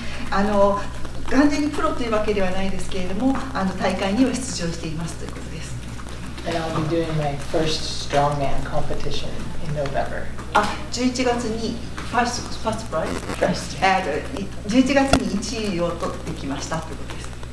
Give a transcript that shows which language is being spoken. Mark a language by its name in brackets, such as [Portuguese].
[Japanese] あの、完全にプロというわけではないですけれども、大会には出場していますということです。 [English] And I'll be doing my first strongman competition in November. [Japanese] あ、11月に1位を取ってきましたということです。